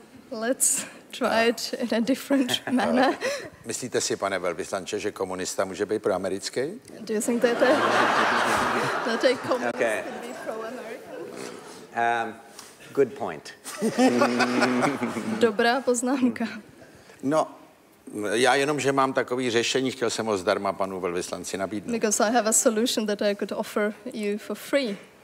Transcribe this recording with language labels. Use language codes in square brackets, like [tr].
[en] Let's try it in a different manner. [cs] Myslíte si, pane velvyslanče, že komunista může být proamerický? [en] Do you think that a communist can be pro-American? Good point. [cs] Dobrá poznámka. No, já jenom, že mám takový řešení, chtěl jsem ho zdarma panu velvyslanci nabídnout. [en] Because I have a solution that I could offer you for free.